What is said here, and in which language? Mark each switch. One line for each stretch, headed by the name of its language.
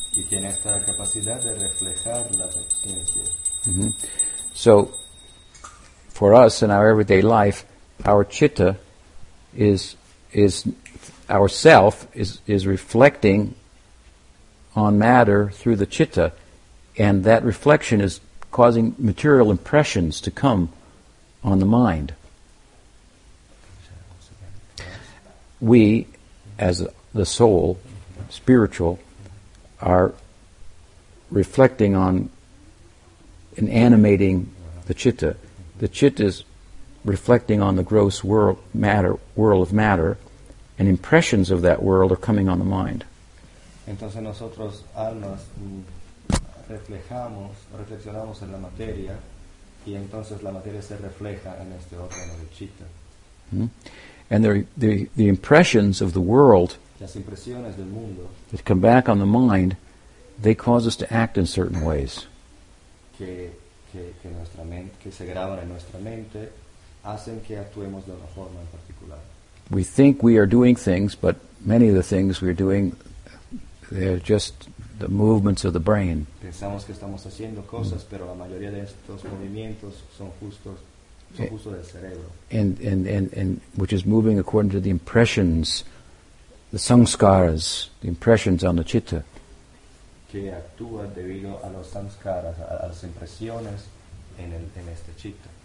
Spanish: Y tiene esta capacidad de reflejar la conciencia. Mm-hmm.
English: So, for us in our everyday life, our chitta is our self is reflecting on matter through the chitta, and that reflection is causing material impressions to come on the mind. We, as the soul, spiritual, are reflecting on and animating the chitta. The chitta is reflecting on the gross world, matter, world of matter, and impressions of that world are coming on the mind.
Spanish: Entonces nosotros almas reflexionamos en la materia, y entonces la materia se refleja en este órgano de chitta.
English: Mm-hmm. And the impressions of the world,
Spanish: las impresiones del mundo,
English: that come back on the mind, they cause us to act in certain ways.
Spanish: Que nuestra mente, que se graban en nuestra mente, hacen que actuemos de una forma en particular.
English: We think we are doing things, but many of the things we're doing, they're just the movements of the brain.
Spanish: Pensamos que estamos haciendo cosas, pero la mayoría de estos movimientos son justo del cerebro.
English: And which is moving according to the impressions, the samskaras, the impressions on the chitta.
Spanish: Que actúa debido a los samskaras, a las impresiones en este chitta.